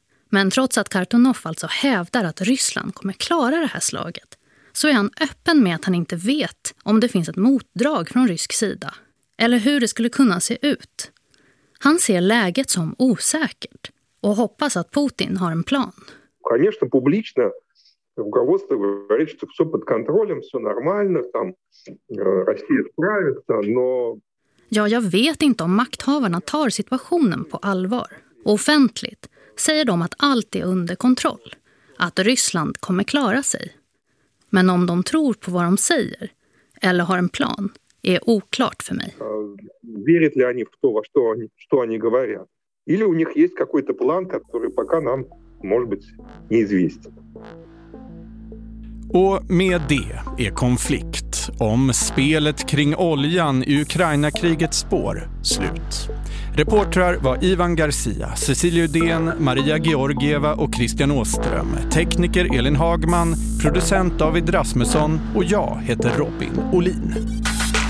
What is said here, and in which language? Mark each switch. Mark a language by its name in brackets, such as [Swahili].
[Swedish] Men trots att Kartanov alltså hävdar att Ryssland kommer klara det här slaget, så är han öppen med att han inte vet om det finns ett motdrag från rysk sida eller hur det skulle kunna se ut. Han ser läget som osäkert och hoppas att Putin har en plan. [Russian] Конечно, публично Руководство говорит, что все под контролем, все нормально, там Россия справится, но... [Swedish] Ja, jag vet inte om makthavarna tar situationen på allvar. Offentligt säger de att allt är under kontroll, att Ryssland kommer klara sig. Men om de tror på vad de säger eller har en plan är oklart för mig. [Russian] Верит ли они в то, что они говорят? Или у них есть какой-то план, который пока нам, может быть, неизвестен? [Swedish] Och med det är konflikt om spelet kring oljan i Ukraina-krigets spår slut. Reportrar var Ivan Garcia, Cecilia Udén, Maria Georgieva och Christian Åström. Tekniker Elin Hagman, producent David Rasmusson och jag heter Robin Olin.